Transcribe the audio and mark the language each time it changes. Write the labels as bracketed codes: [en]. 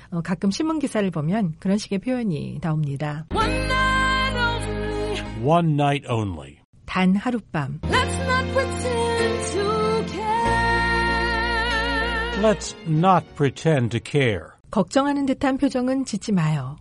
[ko] 가끔 신문 기사를 보면 그런 식의 표현이 나옵니다. [en] One night only. One night only. [ko] 단 하룻밤. [en] Let's not pretend to care. Let's not pretend to care. [ko] 걱정하는 듯한 표정은 짓지 마요.